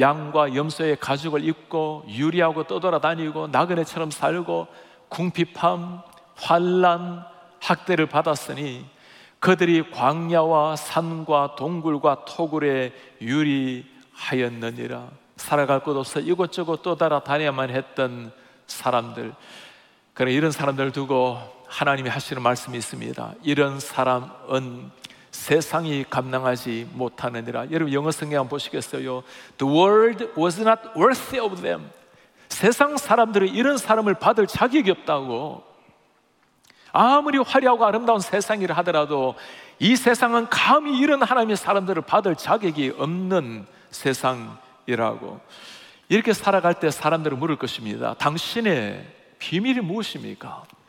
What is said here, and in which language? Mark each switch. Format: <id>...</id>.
<ko>양과 염소의 가죽을 입고 유리하고 떠돌아다니고 나그네처럼 살고 궁핍함, 환란, 학대를 받았으니 그들이 광야와 산과 동굴과 토굴에 유리하였느니라. 살아갈 곳 없어 이곳저곳 떠돌아다녀야만 했던 사람들. 그러나 이런 사람들을 두고 하나님이 하시는 말씀이 있습니다. 이런 사람은 세상이 감당하지 못하느니라. 여러분 영어 성경 보시겠어요?</ko> <en>The world was not worthy of them.</en> <ko>세상 사람들이 이런 사람을 받을 자격이 없다고. 아무리 화려하고 아름다운 세상이라 하더라도 이 세상은 감히 이런 하나님의 사람들을 받을 자격이 없는 세상이라고. 이렇게 살아갈 때 사람들을 물을 것입니다. 당신의 비밀이 무엇입니까?</ko>